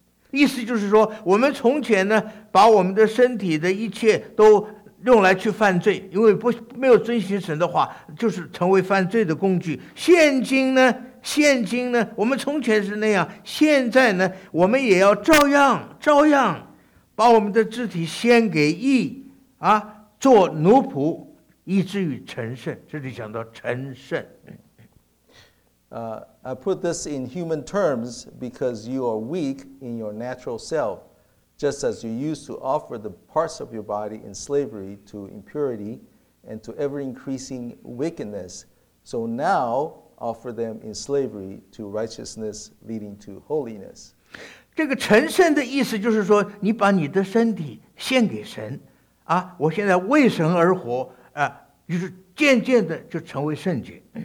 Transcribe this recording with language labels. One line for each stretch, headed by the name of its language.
Chinese: 意思就是说，我们从前呢，把我们的身体的一切都用来去犯罪，因为没有遵循神的话，就是成为犯罪的工具。现今呢，我们从前是那样，现在呢，我们也要照样。把我们的肢体献给义啊，做奴仆，以至于成圣。这里讲到成圣。
English: I put this in human terms because you are weak in your natural self, just as you used to offer the parts of your body in slavery to impurity and to ever increasing wickedness. So now offer them in slavery to righteousness leading to holiness.
Chinese: 这个成圣的意思就是说，你把你的身体献给神，啊，我现在为神而活，啊，就是渐渐的就成为圣洁。